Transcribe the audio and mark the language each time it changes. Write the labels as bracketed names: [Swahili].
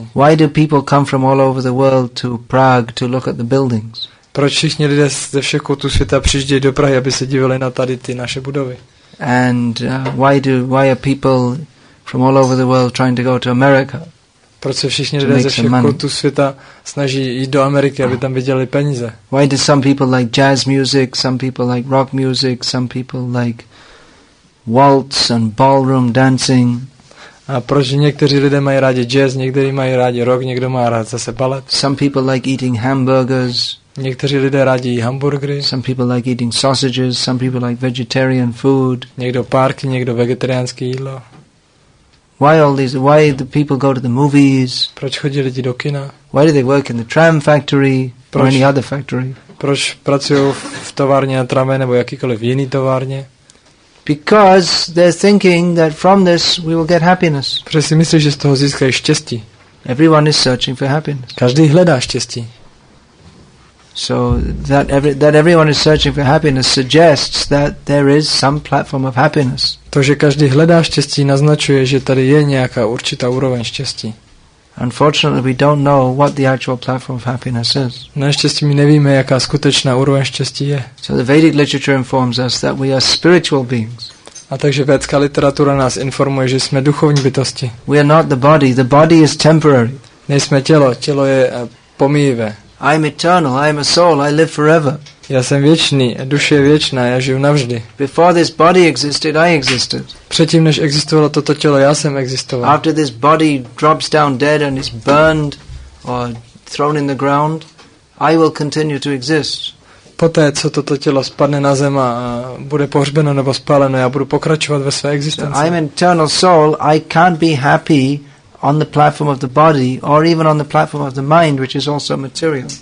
[English] Why do people come from all over the world to Prague to look at the buildings? [Czech] Proč všichni lidé ze všech koutů světa přijíždějí do Prahy, aby se dívali na tady ty naše budovy? [English] And why are people from all over the world trying to go to America? [Czech] Proč se všichni lidé ze všech koutů světa snaží jít do Ameriky, aby tam vydělali peníze? [English] Why do some people like jazz music, some people like rock music, some people like waltz and ballroom dancing? [Czech] A proč někteří lidé mají rádi jazz, někteří mají rádi rock, někdo má rád zase balet? [English] Some people like eating hamburgers. [Czech] Někteří lidé rádi jí hamburgery. [English] Some people like eating sausages, some people like vegetarian food. [Czech] Někdo párky, někdo vegetariánské jídlo. [English] Why do people go to the movies? [Czech] Proč chodí lidi do kina? [English] Why do they work in the tram factory or any other factory? [Czech] Proč pracují v továrně na tramvaj nebo jakýkoliv jiný továrně? [English] Because they're thinking that from this we will get happiness. [Czech] Protože si myslí, že z toho získají štěstí. [English] Everyone is searching for happiness. [Czech] Každý hledá štěstí. [English] So that everyone is searching for happiness suggests that there is some platform of happiness. [Czech] To, že každý hledá štěstí, naznačuje, že tady je nějaká určitá úroveň štěstí. [English] Unfortunately, we don't know what the actual platform of happiness is. [Czech] Naštěstí my nevíme, jaká skutečná úroveň štěstí je. [English] So the Vedic literature informs us that we are spiritual beings. [Czech] A takže védská literatura nás informuje, že jsme duchovní bytosti. [English] We are not the body. The body is temporary. [Czech] Nejsme tělo. Tělo je pomíjivé. [English] I'm eternal. I'm a soul. I live forever. [Czech] Já jsem věčný, duše je věčná, já žiju navždy. [English] Before this body existed, I existed. [Czech] Předtím, než existovalo toto tělo, já jsem existoval. [English] After this body drops down dead and is burned or thrown in the ground, I will continue to exist. [Czech] Poté, co toto tělo spadne na zem a bude pohřbeno nebo spáleno, já budu pokračovat ve své existenci. [English] So I'm an eternal soul. I can't be happy on the platform of the body or even on the platform of the mind, which is also material.